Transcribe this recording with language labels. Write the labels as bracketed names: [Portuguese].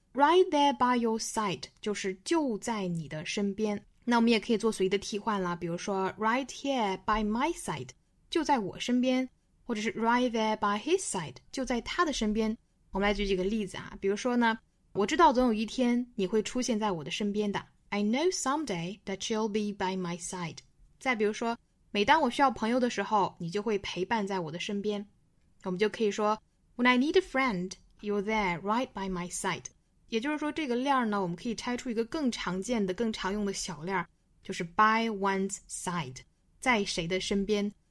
[English] Right there by your side [Chinese] 就是就在你的身边。那我们也可以做随意的替换了，比如说 [English] right here by my side [Chinese] 就在我身边。或者是 [English] right there by his side， [Chinese] 就在他的身边。我们来举几个例子啊，比如说呢，我知道总有一天你会出现在我的身边的。 [English] I know someday that you'll be by my side。 [Chinese] 再比如说，每当我需要朋友的时候，你就会陪伴在我的身边。我们就可以说 [English] ，When I need a friend, you're there right by my side。 [Chinese] 也就是说，这个链呢，我们可以拆出一个更常见的、更常用的小链，就是 by one's side， 在谁的身边。